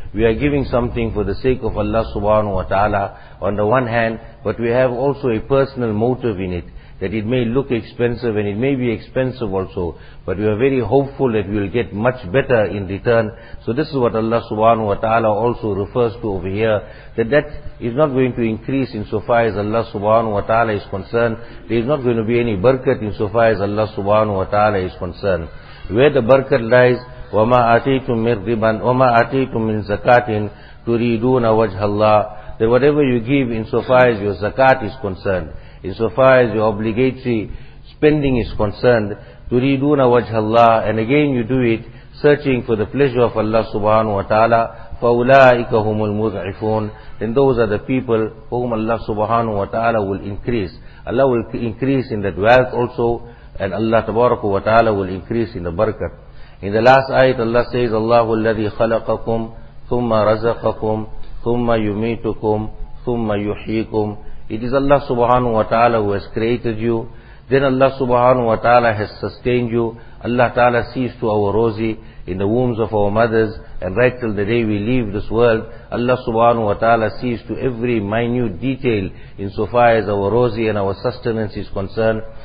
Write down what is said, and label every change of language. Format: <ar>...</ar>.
<en>We are giving something for the sake of Allah subhanahu wa ta'ala on the one hand, but we have also a personal motive in it, that it may look expensive and it may be expensive also, but we are very hopeful that we will get much better in return. So this is what Allah subhanahu wa ta'ala also refers to over here, that is not going to increase insofar as Allah subhanahu wa ta'ala is concerned. There is not going to be any barakat insofar as Allah subhanahu wa ta'ala is concerned. Where the barakat lies,</en> <ar>وَمَا آتَيْتُم مِّن رِّبًا وَمَا آتَيْتُم مِّن زَكَاةٍ تُرِيدُونَ وَجْهَ اللَّهِ.</ar> <en>That whatever you give insofar as your zakat is concerned, insofar as your obligatory spending is concerned,</en> <ar>تُرِيدُونَ وَجْهَ اللَّهِ,</ar> <en>and again you do it searching for the pleasure of Allah subhanahu wa ta'ala,</en> <ar>فَأُولَٰئِكَ هُمُ الْمُضْعِفُونَ.</ar> <en>Then those are the people whom Allah subhanahu wa ta'ala will increase. Allah will increase in that wealth also, and Allah tabaraka wa ta'ala will increase in the barakah. In the last ayat Allah says,</en> <ar>اللَّهُ الَّذِي خَلَقَكُمْ ثُمَّ رَزَقَكُمْ ثُمَّ يُمِيتُكُمْ ثُمَّ يُحْيِيكُمْ.</ar> <en>It is Allah subhanahu wa ta'ala who has created you, then Allah subhanahu wa ta'ala has sustained you, Allah Ta'ala sees to our rosy in the wombs of our mothers, and right till the day we leave this world, Allah Subhanahu wa Ta'ala sees to every minute detail insofar as our rosy and our sustenance is concerned.</en>